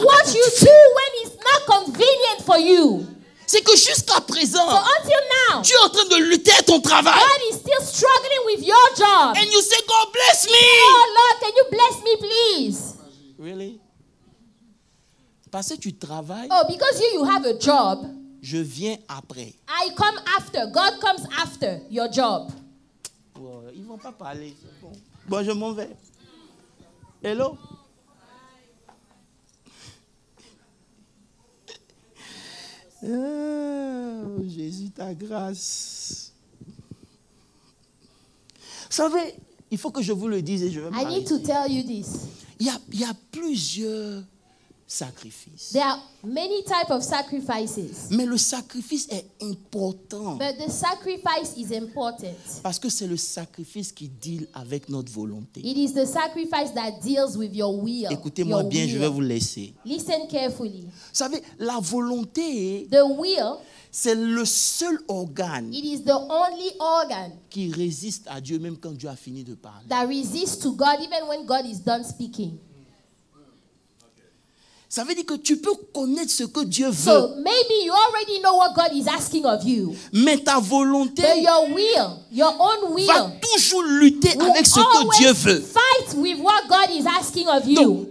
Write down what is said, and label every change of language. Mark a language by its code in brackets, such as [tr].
[en] It's what you do when it's not convenient for you. [fr] C'est que jusqu'à présent, [en] so until now, [fr] Dieu est en train de lutter à ton travail. [en] God is still struggling with your job. And you say, God bless me. Oh Lord, can you bless me, please? [fr] Really? Parce que tu travailles. [en] Oh, because you have a job. [fr] Je viens après. [en] I come after. God comes after your job. [fr] Oh, ils vont pas parler. Bon, je m'en vais. Hello. Oh, Jésus, ta grâce. Vous savez, il faut que je vous le dise et je vais m'arrêter. [en] I need to tell you this. [fr] Il y a plusieurs sacrifices. [en] There are many types of sacrifices. [fr] Mais le sacrifice est important. [en] But the sacrifice is important. [fr] Parce que c'est le sacrifice qui deal avec notre volonté. [en] It is the sacrifice that deals with your will. [fr] Écoutez-moi [en] your [fr] bien, will. Je vais vous laisser. [en] Listen carefully. [fr] Vous savez, la volonté, [en] the will, [fr] c'est le seul organe, [en] it is the only organ, [fr] qui résiste à Dieu même quand Dieu a fini de parler. [en] That resists to God even when God is done speaking. [fr] Ça veut dire que tu peux connaître ce que Dieu veut. [en] So maybe you already know what God is asking of you. [fr] Mais ta volonté, [en] but your will, your own will, [fr] va toujours lutter avec ce que Dieu veut. [en] Fight with what God is asking of you.